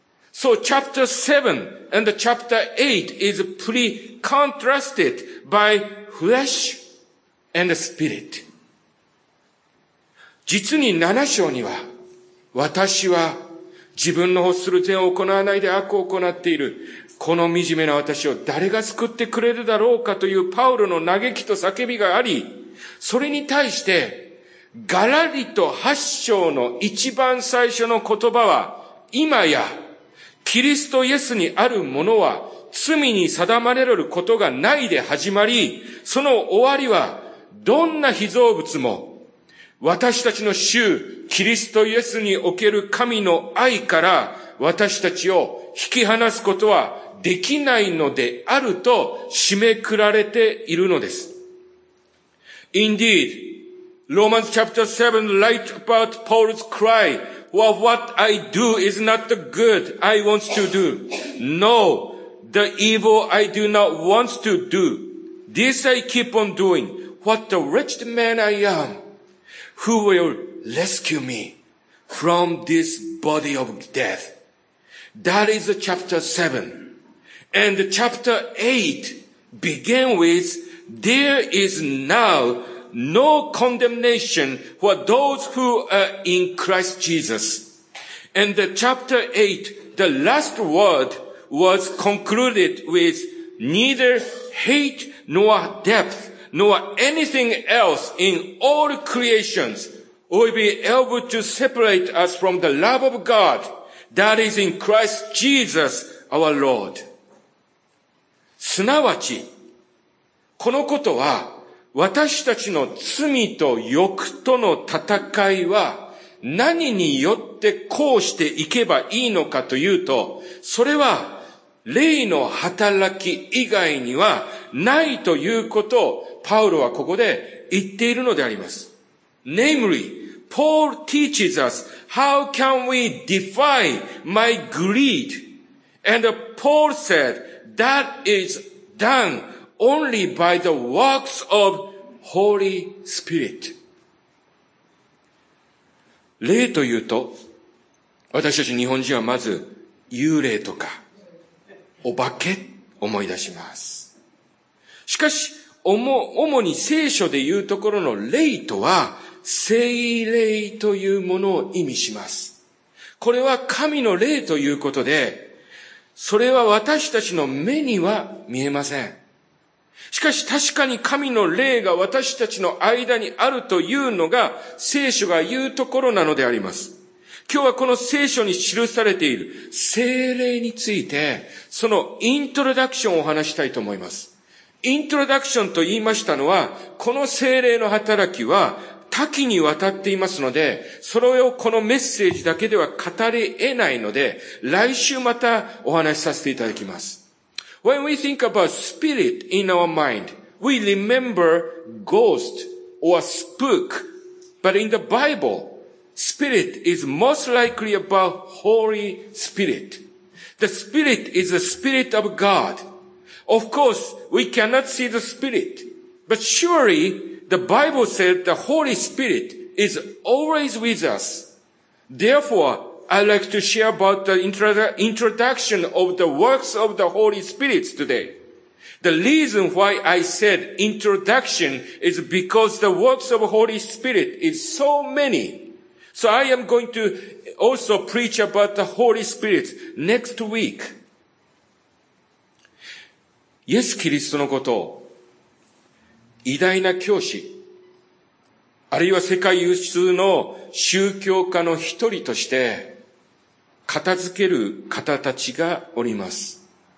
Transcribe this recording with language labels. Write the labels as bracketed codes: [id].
[en] So chapter 7 and chapter 8 is pretty contrasted by flesh and spirit. [ja] 実に7章には私は自分の欲する善を行わないで悪を行っている。この惨めな私を誰が救ってくれるだろうかというパウロの嘆きと叫びがあり、それに対して、ガラリと8章の一番最初の言葉は、今や、キリストイエスにあるものは罪に定まれることがないで始まり、その終わりは、どんな被造物も、私たちの主キリストイエスにおける神の愛から私たちを引き離すことはできないのであると締めくられているのです。 [en] Indeed, Romans chapter 7 write about Paul's cry, what I do is not the good I want to do. No, the evil I do not want to do. This I keep on doing. What the wretched man I am. Who will rescue me from this body of death? That is chapter 7. And chapter 8 began with, There is now no condemnation for those who are in Christ Jesus. And the chapter 8, the last word was concluded with, Neither hate nor depth. Nor anything else in all creations will be able to separate us from the love of God that is in Christ Jesus our Lord. [ja] すなわち、このことは私たちの罪と欲との戦いは何によってこうしていけばいいのかというと、それは霊の働き以外にはないということをパウロはここで言っているのであります。 [en] Namely, Paul teaches us how can we defy my greed? And Paul said, that is done only by the works of Holy Spirit. [ja] 霊というと、私たち日本人はまず幽霊とかお化け思い出します。しかし、主に聖書で言うところの霊とは、聖霊というものを意味します。これは神の霊ということで、それは私たちの目には見えません。しかし確かに神の霊が私たちの間にあるというのが聖書が言うところなのであります。今日はこの聖書に記されている聖霊について、そのイントロダクションをお話したいと思います。イントロダクションと言いましたのは、この聖霊の働きは多岐にわたっていますので、それをこのメッセージだけでは語り得ないので、来週またお話しさせていただきます。 [en] When we think about spirit in our mind, we remember ghost or spook. But in the Bible, spirit is most likely about Holy Spirit. The spirit is the spirit of God. Of course, we cannot see the spirit. But surely, the Bible said the Holy Spirit is always with us. Therefore,I'd like to share about the introduction of the works of the Holy Spirit today. The reason why I said introduction is because the works of the Holy Spirit is so many. So I am going to also preach about the Holy Spirit next week. [ja] イエス・キリストのことを偉大な教師、あるいは世界有数の宗教家の一人として、片付ける方たちがおります。